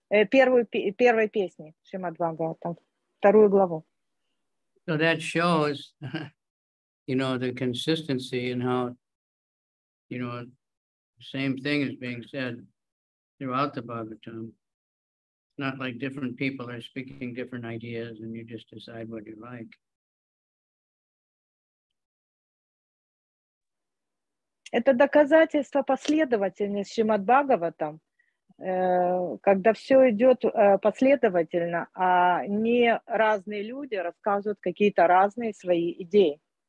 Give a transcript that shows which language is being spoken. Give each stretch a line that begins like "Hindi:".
Russian: Первой песни Шримад-Бхагаватам, вторую главу.
English: So that shows, you know, the consistency in how, you know, the same thing is being said throughout the Bhagavatam. Not like different people are speaking different ideas and you just decide what you like.
Russian: Это доказательство последовательности Шримад-Бхагаватам, когда все идет последовательно, а не разные люди рассказывают какие-то разные свои идеи.